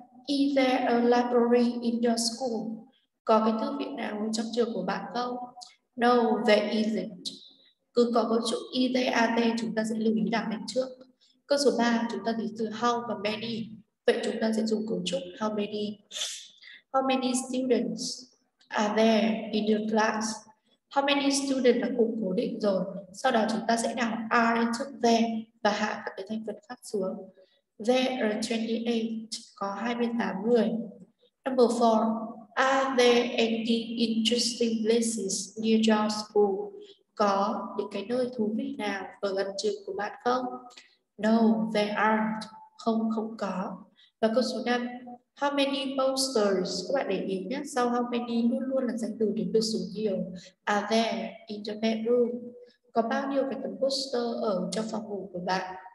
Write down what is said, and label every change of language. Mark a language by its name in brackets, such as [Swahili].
[English] Is there a library in your school? [Vietnamese] Có cái thư viện nào trong trường của bạn không? [English] No, there isn't. [Vietnamese] Cứ có câu chữ is there, are there, chúng ta sẽ lưu ý đặt lên trước. Câu số 3, chúng ta thấy từ how và many. Vậy chúng ta sẽ dùng cấu trúc how many. [English] How many students are there in your class? [Vietnamese] How many students là cụm cố định rồi. Sau đó chúng ta sẽ đảo are lên trước there và hạ các cái thành phần khác xuống. [English] There are 28, [Vietnamese] có 28 người. [English] Number 4, are there any interesting places near your school? [Vietnamese] Có những cái nơi thú vị nào ở gần trường của bạn không? [English] No, there aren't. [Vietnamese] Không, không có. Và câu số 5, [English] how many posters? [Vietnamese] Các bạn để ý nhé, sau how many luôn luôn là danh từ để biểu số nhiều. [English] Are there in the bedroom? [Vietnamese] Có bao nhiêu cái tấm poster ở trong phòng ngủ của bạn?